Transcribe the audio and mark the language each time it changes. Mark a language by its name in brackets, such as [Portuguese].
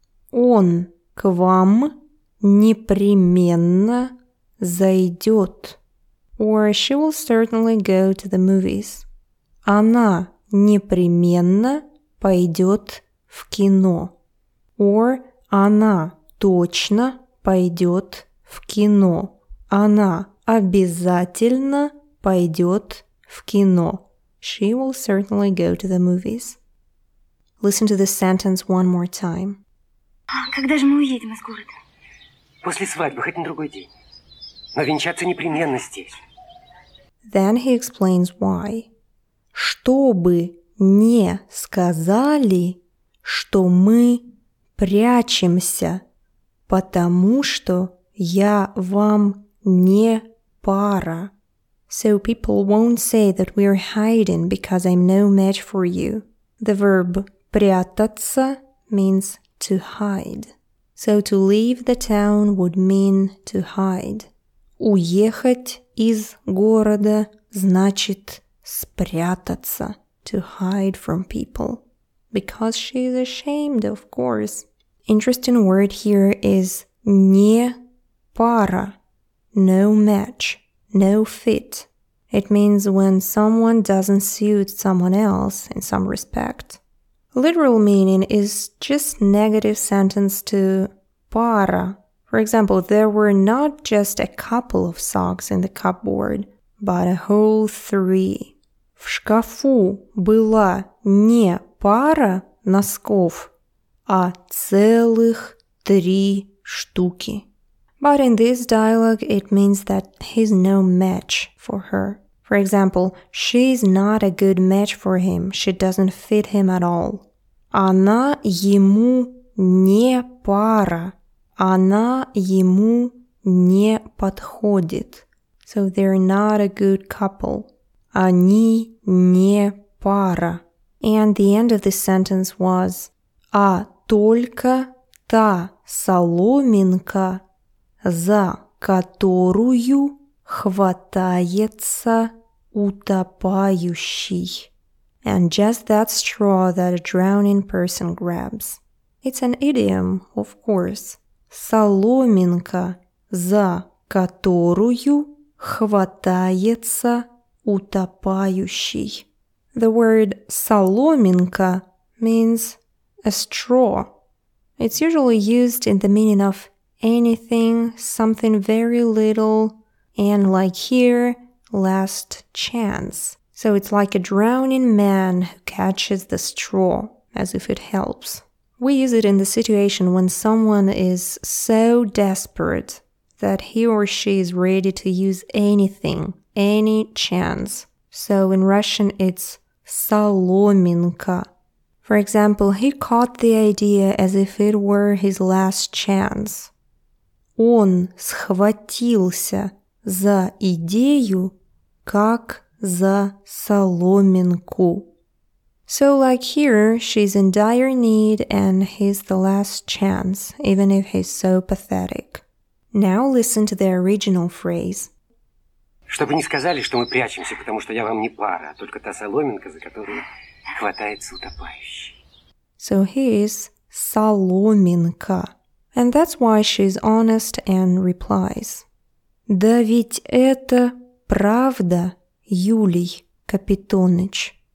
[Russian] Он к вам непременно зайдет. [English] Or she will certainly go to the movies. [Russian] Она непременно пойдет в кино. [English] Or [Russian] она точно пойдет в кино. Она обязательно пойдет в кино. [English] She will certainly go to the movies. Listen to this sentence one more time. [Russian] Когда же мы уедем из города? После свадьбы, хоть на другой день. Но венчаться непременно здесь. [English] Then he explains why. [Russian] Чтобы не сказали, что мы прячемся, потому что я вам не пара. [English] So people won't say that we are hiding because I'm no match for you. The verb прятаться means to hide. So to leave the town would mean to hide. [Russian] Уехать из города значит спрятаться. [English] To hide from people. Because she is ashamed, of course. Interesting word here is не пара, no match, no fit. It means when someone doesn't suit someone else in some respect. Literal meaning is just negative sentence to пара. For example, there were not just a couple of socks in the cupboard, but a whole three. [Russian] В шкафу была не пара носков, а целых три штуки. [English] But in this dialogue, it means that he's no match for her. For example, she's not a good match for him. She doesn't fit him at all. [Russian] Она ему не пара. Она ему не подходит. [English] So they're not a good couple. [Russian] Они не пара. [English] And the end of this sentence was, [Russian] а только та соломинка, за которую хватается утопающий. [English] And just that straw that a drowning person grabs. It's an idiom, of course. [Russian] Соломинка, за которую хватается утопающий. [English] The word соломинка means a straw. It's usually used in the meaning of anything, something very little, and like here, last chance. So it's like a drowning man who catches the straw, as if it helps. We use it in the situation when someone is so desperate that he or she is ready to use anything, any chance. So in Russian it's соломинка. For example, he caught the idea as if it were his last chance. [Russian] Он схватился за идею, как за соломинку. [English] So like here, she's in dire need and he's the last chance, even if he's so pathetic. Now listen to the original phrase. [Russian] Чтобы не сказали, что мы прячемся, потому что я вам не пара, а только та соломинка, за которую хватается утопающий. [English] So he is соломинка. And that's why she's honest and replies. [Russian] Да ведь это правда, Юлий Капитоныч.